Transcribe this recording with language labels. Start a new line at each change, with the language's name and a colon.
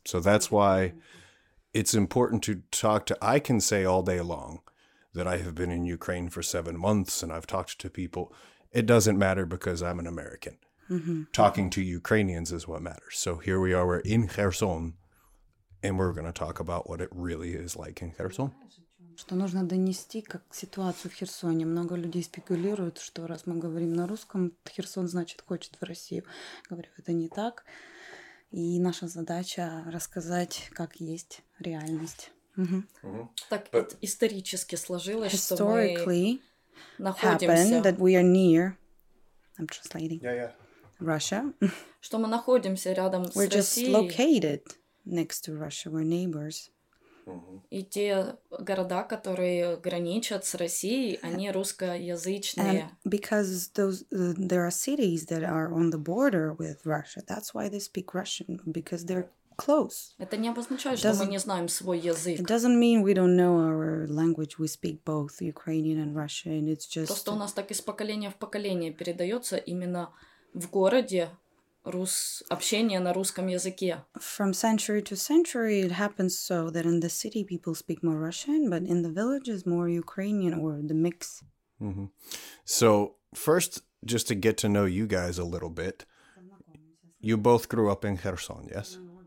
English: So that's why it's important to talk to, I can say all day long that I have been in Ukraine for 7 months and I've talked to people. It doesn't matter because I'm an American. Mm-hmm. Talking to Ukrainians is what matters. So here we are, we're in Kherson, and we're going to talk about what it really is like in Kherson.
Russian: Что нужно донести, как ситуацию в Херсоне. Много людей спекулируют, что раз мы говорим на русском, Херсон значит хочет в Россию. Говорю, это не так. И наша задача рассказать, как есть реальность. Так исторически сложилось, что мы находимся...
English: Happened that we are near... I'm translating. Yeah. Russia.
Russian: Что мы находимся рядом с Россией.
English: We're just located next to Russia. We're neighbors.
Russian: И те города, которые граничат с Россией, они русскоязычные.
English: And because there are cities that are on the border with Russia, that's why they speak Russian, because they're close.
Russian: Это не обозначает, что мы не знаем свой язык.
English: It doesn't mean we don't know our language. We speak both Ukrainian and Russian. It's just
Russian: просто у нас так из поколения в поколение передается именно в городе. Общение на русском языке.
English: From century to century, it happens so that in the city people speak more Russian, but in the villages more Ukrainian or the mix. Mm-hmm. So first, just to get to know you guys a little bit, you both grew up in Kherson, yes?